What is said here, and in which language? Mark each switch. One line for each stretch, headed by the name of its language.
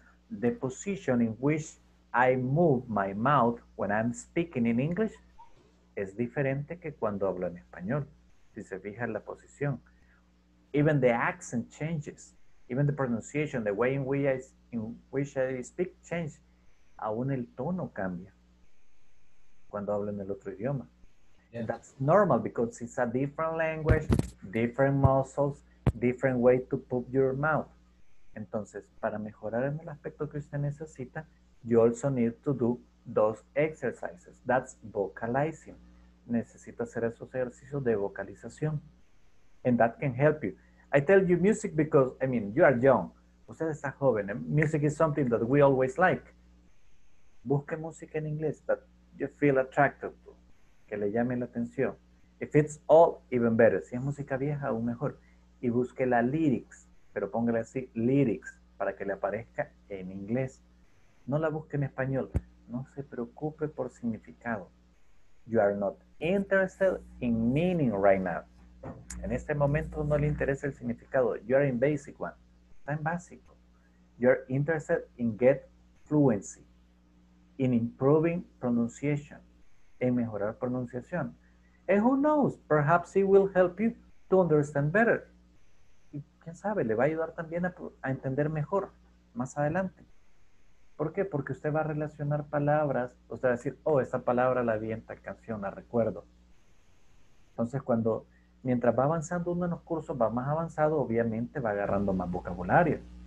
English: The position in which I move my mouth when I'm speaking in English
Spanish: es diferente que cuando hablo en español. Si se fija en la posición.
English: Even the accent changes. Even the pronunciation, the way in which I speak change.
Spanish: Aún el tono cambia cuando hablo en el otro idioma.
English: Yes. That's normal because it's a different language, different muscles, different way to put your mouth.
Spanish: Entonces, para mejorar en el aspecto que usted necesita,
English: you also need to do those exercises. That's vocalizing.
Spanish: Necesita hacer esos ejercicios de vocalización.
English: And that can help you. I tell you music because, I mean, you are young.
Spanish: Usted está joven.
English: Music is something that we always like.
Spanish: Busque música en inglés
English: that you feel attracted to.
Spanish: Que le llame la atención.
English: If it's old, even better.
Spanish: Si es música vieja, aún mejor. Y busque la lyrics, pero póngale así, lyrics, para que le aparezca en inglés. No la busque en español. No se preocupe por significado.
English: You are not interested in meaning right now.
Spanish: En este momento no le interesa el significado.
English: You are in basic one.
Spanish: Está en básico.
English: You are interested in get fluency, in improving pronunciation,
Spanish: en mejorar pronunciación.
English: And who knows, perhaps it will help you to understand better.
Spanish: ¿Quién sabe? Le va a ayudar también a entender mejor más adelante. ¿Por qué? Porque usted va a relacionar palabras. Usted va a decir, oh, esta palabra la vi en tal canción, la recuerdo. Entonces, mientras va avanzando uno en los cursos, va más avanzado, obviamente va agarrando más vocabulario.